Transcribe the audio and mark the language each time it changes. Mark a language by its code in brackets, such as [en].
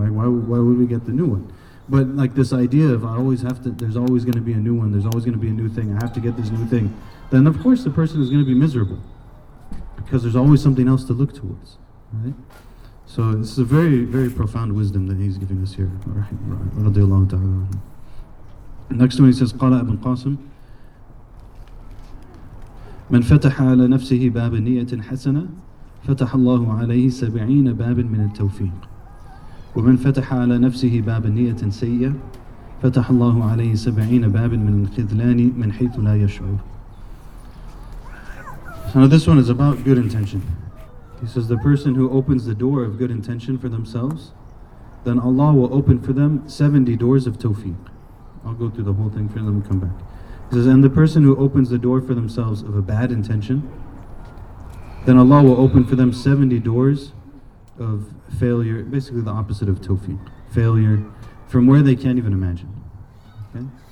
[en] Like, why would we get the new one? But like this idea of there's always gonna be a new one, there's always gonna be a new thing, I have to get this new thing. Then of course the person is gonna be miserable, because there's always something else to look towards, right? So this is a very, very profound wisdom that he's giving us here. Next one, he says, [ar] قال ابن قاسم من فتح على نفسه باب نية حسنة فتح الله عليه 70 بابا من التوفيق ومن فتح على نفسه باب نية سيئة فتح الله عليه سبعين باب من الخذلان من حيث لا يشعر. [en] So this one is about good intention. He says, the person who opens the door of good intention for themselves, then Allah will open for them 70 doors of tawfiq. I'll go through the whole thing for them and come back. He says, and the person who opens the door for themselves of a bad intention, then Allah will open for them 70 doors of failure, basically the opposite of tawfiq, failure, from where they can't even imagine. Okay?